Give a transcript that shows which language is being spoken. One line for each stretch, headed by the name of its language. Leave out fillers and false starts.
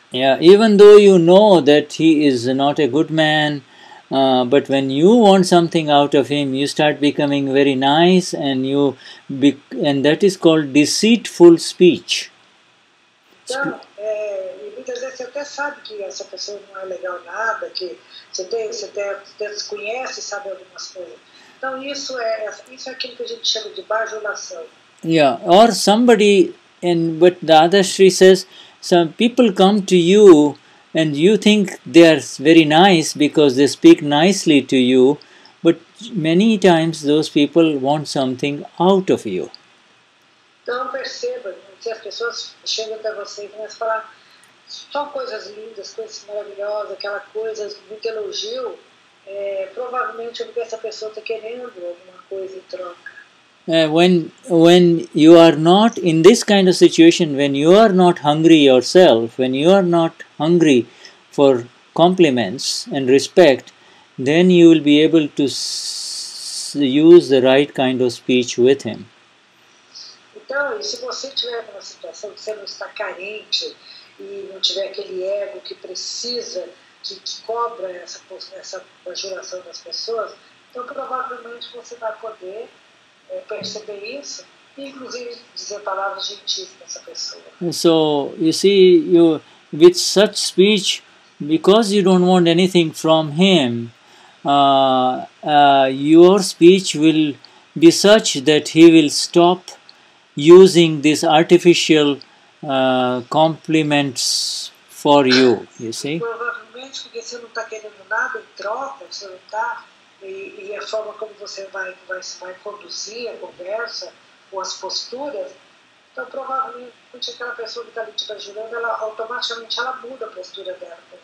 English: Yeah, even though you know that he is not a good man, but when you want something out of him, you start becoming very nice and and that is called deceitful speech.
Portuguese: Então, muitas vezes você até sabe que essa pessoa não é legal nada, que você até desconhece e sabe algumas coisas. Então, isso é aquilo que a gente chama de bajulação.
English: Yeah, or somebody, but the other Sri says, some people come to you and you think they are very nice because they speak nicely to you, but many times those people want something out of you.
Portuguese: Então, perceba, as pessoas chegam até você e começam a falar só coisas lindas, coisas maravilhosas, aquela coisa, muito elogio, provavelmente é porque essa pessoa está querendo alguma coisa em troca.
English: When you are not in this kind of situation, when you are not hungry yourself, when you are not hungry for compliments and respect, then you will be able to use the right kind of speech with him.
Portuguese: Então, e se você tiver numa situação que você não está carente e não tiver aquele ego que precisa, que cobra essa bajulação das pessoas, então provavelmente você vai poder perceber isso, inclusive dizer palavras gentis para essa pessoa.
English: So, you see, with such speech, because you don't want anything from him, your speech will be such that he will stop using this artificial compliments for you, you see?
Portuguese: Provavelmente porque você não está querendo nada em troca, você não está, e a forma como você vai conduzir a conversa com as posturas, então provavelmente aquela pessoa que está ali te ajudando, ela automaticamente ela muda a postura dela.